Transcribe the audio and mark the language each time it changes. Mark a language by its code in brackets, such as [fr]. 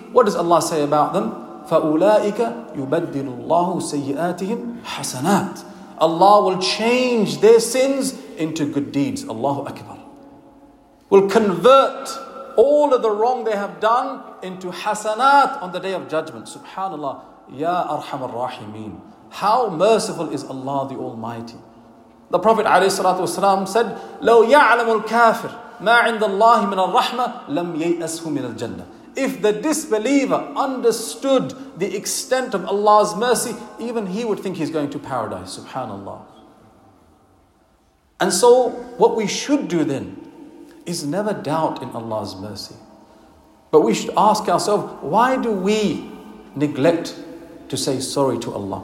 [en] What does Allah say about them? [ar] فَأُولَٰئِكَ يُبَدِّلُ اللَّهُ سَيِّئَاتِهِمْ حَسَنَاتٍ [en] Allah will change their sins into good deeds. Allahu Akbar. Will convert all of the wrong they have done into hasanat on the day of judgment. Subhanallah. Ya Arhamar Rahimeen. How merciful is Allah the Almighty. The Prophet alayhi salatu wasalam said, [ar] لو يعلم الكافر ما عند الله من الرحمة لم ييأسه من الجنة. [en] If the disbeliever understood the extent of Allah's mercy, even he would think he's going to paradise. Subhanallah. And so what we should do then is never doubt in Allah's mercy. But we should ask ourselves, why do we neglect to say sorry to Allah?